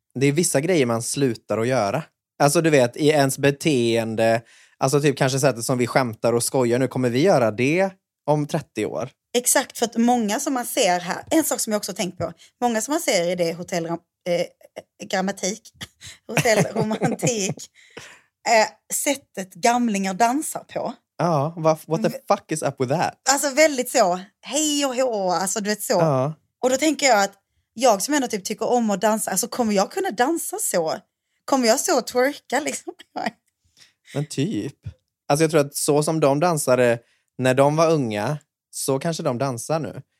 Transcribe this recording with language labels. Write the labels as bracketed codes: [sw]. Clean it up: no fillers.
[sv] Det är vissa grejer man slutar att göra. Alltså du vet, i ens beteende, alltså typ kanske sättet som vi skämtar och skojar nu, kommer vi göra det om 30 år? Exakt, för att många som man ser här, en sak som jag också tänkt på, många som man ser i det hotellet, grammatik, hotellromantik, sättet gamlingar dansar på. Ja, [en] what the fuck is up with that? [sv] Alltså väldigt så, hej och hå, alltså du vet så. Ja. Och då tänker jag att, jag som ändå typ tycker om att dansa, alltså kommer jag kunna dansa så? Kommer jag så att twerka liksom? Men typ. Alltså jag tror att så som de dansade när de var unga, så kanske de dansar nu.